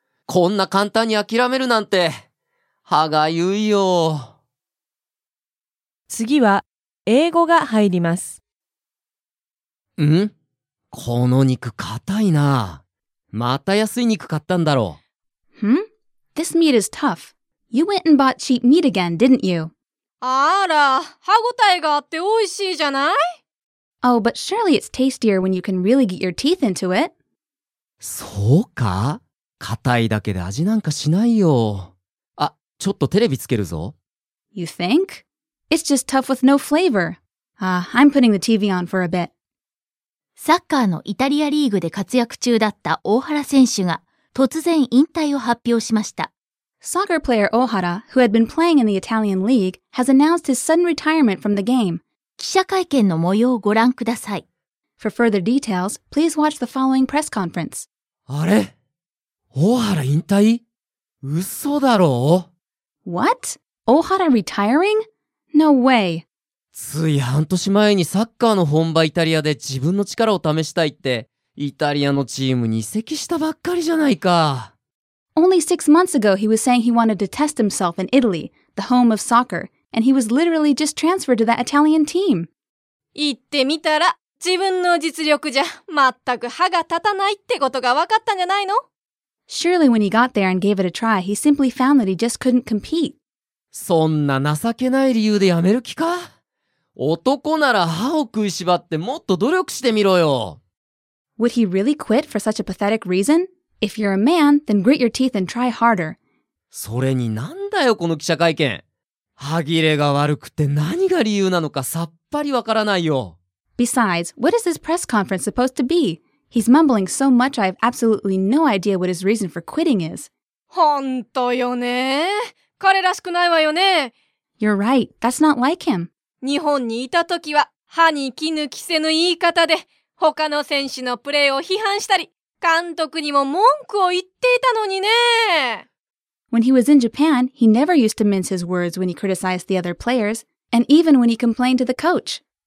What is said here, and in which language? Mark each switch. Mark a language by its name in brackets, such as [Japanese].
[Japanese] こんな簡単に諦めるなんて歯がゆいよ。次は英語が入ります。ん？この肉硬いな。また安い肉買ったんだろう。 [English] ん？This meat is tough. You went and bought cheap meat again, didn't you? [Japanese] あら、歯ごたえがあって美味しいじゃない？ [English] Oh, but surely it's tastier when you can really get your teeth into it. [Japanese] そうか？硬いだけで味なんかしないよ。あ、ちょっとテレビつけるぞ。 [English] You think? It's just tough with no flavor. I'm putting the TV on for a bit. [Japanese] サッカーのイタリアリーグで活躍中だった大原選手が突然引退を発表しました。 [English] Soccer player Ohara, who had been playing in the Italian League, has announced his sudden retirement from the game. [Japanese] 記者会見の模様をご覧ください。 [English] For further details, please watch the following press conference. [Japanese] あれ？Ohara 引退？嘘だろ？ [English] What? Ohara retiring? No way. [Japanese] つい半年前にサッカーの本場イタリアで自分の力を試したいってイタリアのチームに移籍したばっかりじゃないか。 [English] Only 6 months ago, he was saying he wanted to test himself in Italy, the home of soccer, and he was literally just transferred to that Italian team. [Japanese] 言ってみたら、自分の実力じゃ全く歯が立たないってことが分かったんじゃないの？ [English] Surely when he got there and gave it a try, he simply found that he just couldn't compete. [Japanese] そんな情けない理由で辞める気か？男なら歯を食いしばってもっと努力してみろよ。 [English] Would he really quit for such a pathetic reason? If you're a man, then grit your teeth and try harder. [Japanese] それになんだよこの記者会見。歯切れが悪くて何が理由なのかさっぱりわからないよ。 [English] Besides, what is this press conference supposed to be? He's mumbling so much I have absolutely no idea what his reason for quitting is. [Japanese] 本当よね。彼らしくないわよね。 [English] You're right. That's not like him. [Japanese] 日本にいた時は歯に衣着せぬ言い方で他の選手のプレーを批判したり、監督にも文句を言っていたのにね。 [English] When he was in Japan, he never used to mince his words when he criticized the other players, and even when he complained to the coach.